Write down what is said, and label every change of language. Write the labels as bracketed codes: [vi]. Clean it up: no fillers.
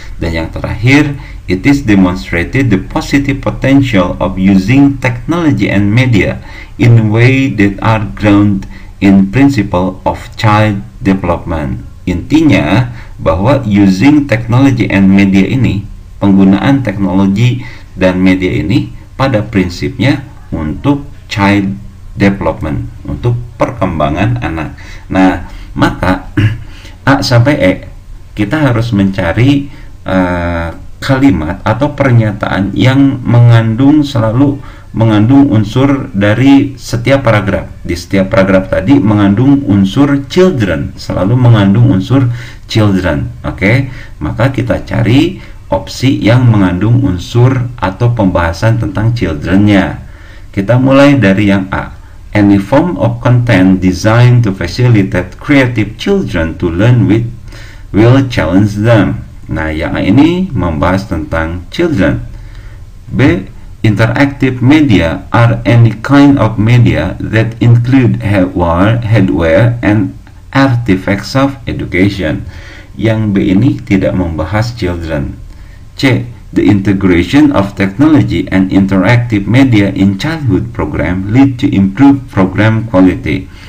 [id] Dan yang terakhir, [en] it is demonstrated the positive potential of using technology and media in a way that are grounded in principle of child development. [id] Intinya bahwa [en] using technology and media [id] ini, penggunaan teknologi dan media ini pada prinsipnya untuk child development, untuk perkembangan anak. Nah, maka A sampai E kita harus mencari kalimat atau pernyataan yang selalu mengandung unsur dari setiap paragraf. Di setiap paragraf tadi mengandung unsur children, selalu mengandung unsur children. Oke, maka kita cari opsi yang mengandung unsur atau pembahasan tentang children-nya. Kita mulai dari yang A. [en] Any form of content designed to facilitate creative children to learn with will challenge them. [id] Nah, yang A ini membahas tentang children. B. [en] Interactive media are any kind of media that include hardware and artifacts of education. [id] yang B ini tidak membahas children. C. [en] The integration of technology and interactive media in childhood program lead to improved program quality.